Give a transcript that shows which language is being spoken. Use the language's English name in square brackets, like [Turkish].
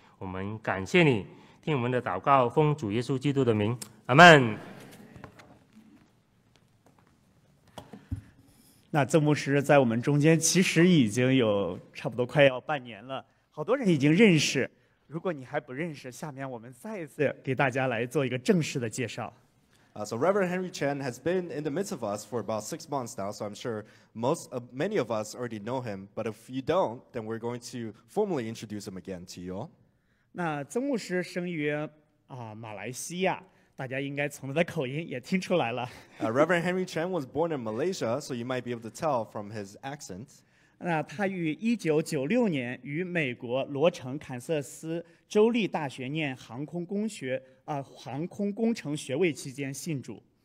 [Chinese] 我们感谢你，听我们的祷告，奉主耶稣基督的名，阿们。那曾牧师在我们中间其实已经有差不多快要半年了，好多人已经认识，如果你还不认识，下面我们再一次给大家来做一个正式的介绍。 [English] So Reverend Henry Chen has been in the midst of us for about 6 months now, so I'm sure many of us already know him, but if you don't, then we're going to formally introduce him again to you all. [Chinese] 那曾牧师生于马来西亚，大家应该从他的口音也听出来了。 [English] Reverend Henry Chen was born in Malaysia, so you might be able to tell from his accent. [Chinese] 那他于1996年于美国罗城堪萨斯州立大学念航空工程学位期间信主。